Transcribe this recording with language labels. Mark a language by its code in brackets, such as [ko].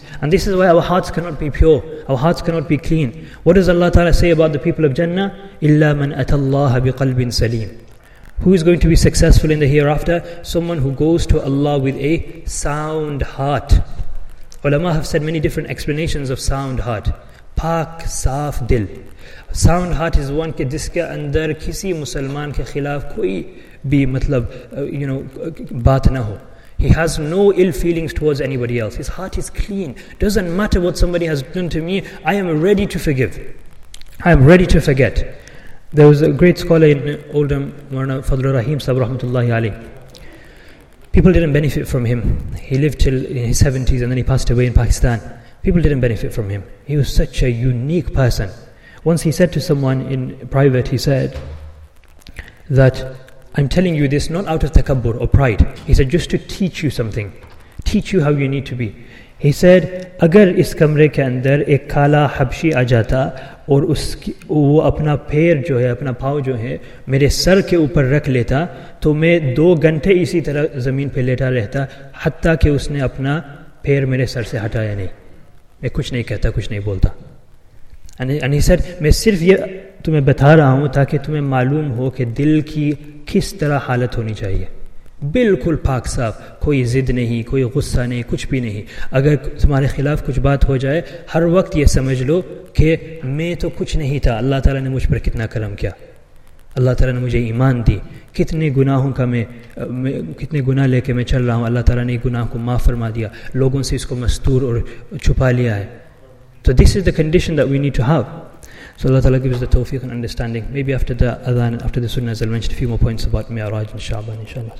[en] And this is why our hearts cannot be pure. Our hearts cannot be clean. What does Allah Ta'ala say about the people of Jannah? [ar] إِلَّا مَنْ أَتَى اللَّهَ بِقَلْبٍ سَلِيمٍ. [en] Who is going to be successful in the hereafter? Someone who goes to Allah with a sound heart. Ulama have said many different explanations of sound heart. [ur] پاک، صاف، دل. [en] Sound heart is one [ur] کے جس کے اندر کسی مسلمان کے خلاف کوئی بھی مطلب، بات نہ ہو. [en] He has no ill feelings towards anybody else. His heart is clean. Doesn't matter what somebody has done to me, I am ready to forgive. I am ready to forget. There was a great scholar in Oldham, Marna Fadl Rahim Sahib Rahmatullahi Ali. People didn't benefit from him. He lived till in his 70s and then he passed away in Pakistan. People didn't benefit from him. He was such a unique person. Once he said to someone in private, he said that, "I'm telling you this not out of takabbur or pride." He said, "Just to teach you something. Teach you how you need to be." He said, [ur] "اگر اس کمرے کے اندر ایک کالا حبشی آ جاتا اور اس کی وہ اپنا پیر جو ہے اپنا پاؤں جو ہے میرے سر کے اوپر رکھ لیتا تو میں 2 گھنٹے اسی طرح زمین پہ لیٹا رہتا حتیٰ کے اس نے اپنا پیر میرے سر سے ہٹایا نہیں. میں کچھ نہیں کہتا، کچھ نہیں بولتا." [en] And he said, [ur] "میں صرف یہ تمہیں بتا رہا ہوں تاکہ تمہیں معلوم ہو کے دل کی کس طرح حالت ہونی چاہیے. بالکل پاک صاف، کوئی ضد نہیں، کوئی غصہ نہیں، کچھ بھی نہیں. اگر تمہارے خلاف کچھ بات ہو جائے، ہر وقت یہ سمجھ لو کے میں تو کچھ نہیں تھا. اللہ تعالیٰ نے مجھ پر کتنا کرم کیا. اللہ تعالیٰ نے مجھے ایمان دی. کتنے گناہوں کا کتنے گناہ لے کے میں چل رہا ہوں، اللہ تعالیٰ نے گناہ کو معاف فرما دیا. لوگوں سے اس کو مستور اور چھپا لیا ہے." [en] So this is the condition that we need to have. So Allah Ta'ala gives us the tawfiq and understanding. Maybe after the adhan, after the sunnah, as I mentioned, a few more points about mi'raj and sha'ban, inshallah.